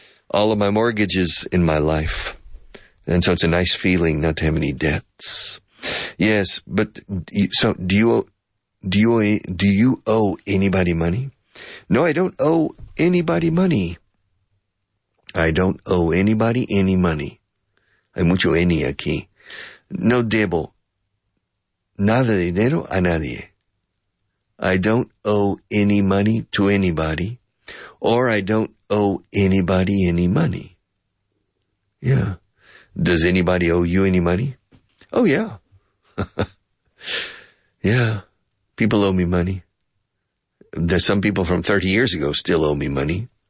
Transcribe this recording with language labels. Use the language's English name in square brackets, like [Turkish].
[English] all of my mortgages in my life. And so it's a nice feeling not to have any debts. Yes, but so do you owe anybody money? No, I don't owe anybody money. I don't owe anybody any money. [Spanish] Hay mucho any aquí. No debo nada de dinero a nadie. [English] I don't owe any money to anybody, or I don't owe anybody any money. Yeah. Does anybody owe you any money? Oh, yeah. Yeah. People owe me money. There's some people from 30 years ago still owe me money.